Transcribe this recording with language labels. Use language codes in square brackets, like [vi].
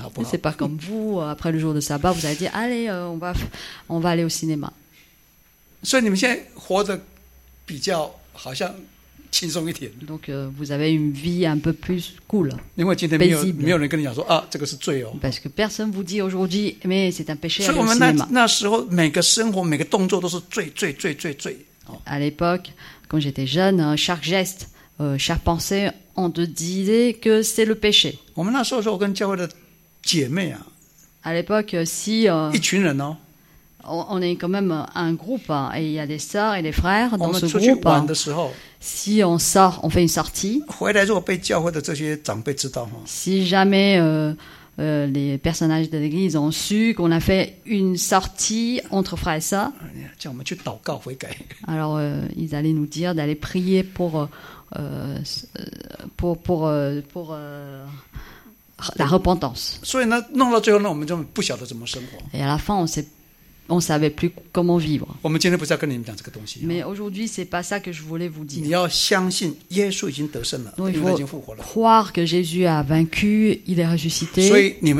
[fr] C'est pas comme vous, après le jour de sabbat, vous avez dit, allez, on va aller au cinéma. [zh] 所以你们现在活得比较好像轻松一点。 [fr] Donc, vous avez une vie un peu plus cool. [zh] 因为今天没有人跟你讲说啊，这个是罪哦。 [fr] Parce que personne vous dit aujourd'hui, mais c'est un péché. [zh] 所以我们那时候每个生活每个动作都是罪罪罪罪罪。 [fr] À l'époque, quand j'étais jeune, chaque geste, chaque pensée, on te disait que c'est le péché. [zh] 我们那时候跟教会的姐妹啊。 [fr] À l'époque, si, [zh] 一群人哦。 [fr] On est quand même un groupe, hein, et il y a des sœurs et des frères dans ce groupe. Hein, si on sort, on fait une sortie. [zh] 回来如果被教会的这些长辈知道, hein, [fr] si jamais les personnages de l'église ont su qu'on a fait une sortie entre frères et sœurs, [zh] 叫我们去祷告悔改。 [fr] Alors ils allaient nous dire d'aller prier pour la repentance. [zh] 所以呢，弄到最后呢，我们就不晓得怎么生活。 [fr] Et à la fin, on ne savait plus comment vivre. Mais aujourd'hui, ce n'est pas ça que je voulais vous dire. Donc, il faut croire que Jésus a vaincu, il est ressuscité.